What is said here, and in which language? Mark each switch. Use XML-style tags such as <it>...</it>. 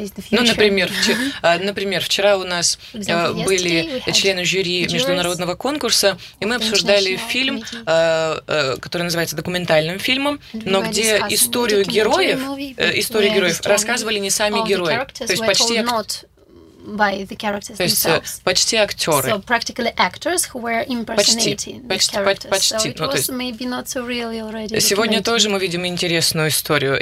<ru>Ну, например, вчера у нас были члены жюри международного конкурса, и мы обсуждали фильм, который называется документальным фильмом, но где историю героев рассказывали не сами герои, то есть почти...</ru> <en>By the characters themselves.</en> <ru>То есть почти актеры.</ru> <en>So practically actors who were impersonating the characters. So it was maybe not so really already.</en> <ru>Сегодня тоже мы видим интересную историю.</ru>